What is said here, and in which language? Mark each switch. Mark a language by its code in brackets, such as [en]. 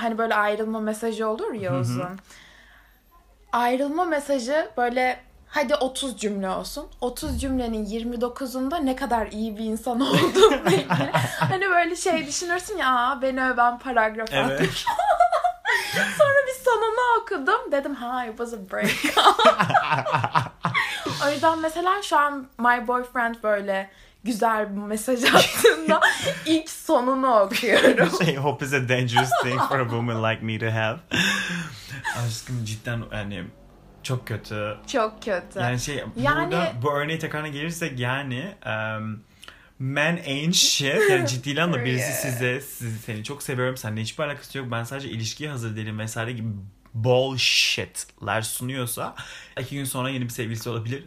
[tr] Hani böyle ayrılma mesajı olur ya uzun. Ayrılma mesajı böyle hadi 30 cümle olsun. 30 cümlenin 29'unda ne kadar iyi bir insan oldum diye. Hani böyle şey düşünürsün ya beni öven paragraf evet. Attık. Sonra bir sonunu okudum. Dedim ha [en] it was a break-up. [tr] O yüzden mesela şu an [en] my boyfriend [tr] böyle güzel bir mesaj attığında ilk sonunu okuyorum. Şey, [en] hope is a dangerous thing for a woman like me to have. [tr] Aşkım cidden yani çok kötü. Çok kötü. Yani şey yani, burada bu örneği tekrarına gelirsek yani [en] men ain't shit. [tr] Yani ciddi lan da birisi size seni çok seviyorum, seninle hiçbir alakası yok, ben sadece ilişkiye hazır değilim vesaire gibi bullshitler sunuyorsa 2 gün sonra yeni bir sevgilisi olabilir.